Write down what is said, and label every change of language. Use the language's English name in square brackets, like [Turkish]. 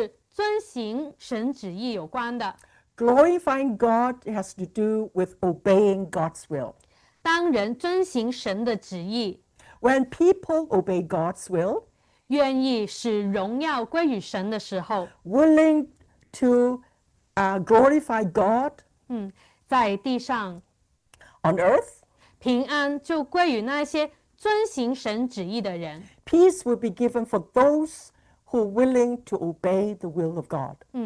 [Chinese] 荣耀归于神是遵行神旨意有关的。 [English] Glorifying God has to do with obeying God's will. [Chinese] 当人遵行神的旨意, [English] when people obey God's will, [Chinese] 愿意使荣耀归于神的时候, [English] willing to glorify God, [Chinese] 在地上, [English] on earth, [Chinese] 平安就归于那些遵行神旨意的人。 [English] Peace will be given for those who are willing to obey the will of God.